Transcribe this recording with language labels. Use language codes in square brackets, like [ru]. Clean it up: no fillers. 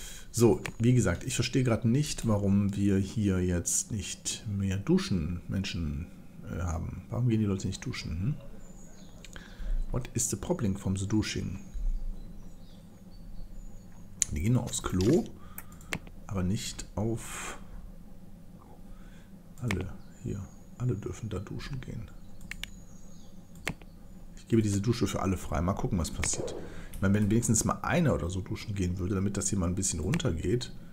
[de] So, wie gesagt, ich verstehe gerade nicht, warum wir hier jetzt nicht mehr duschen Menschen haben. Warum gehen die Leute nicht duschen? [en] What is the problem from the douching? [de] Die gehen nur aufs Klo, aber nicht auf alle hier. Alle dürfen da duschen gehen. Ich gebe diese Dusche für alle frei. Mal gucken, was passiert. Ich meine, wenn wenigstens mal einer oder so duschen gehen würde, damit das hier mal ein bisschen runtergeht.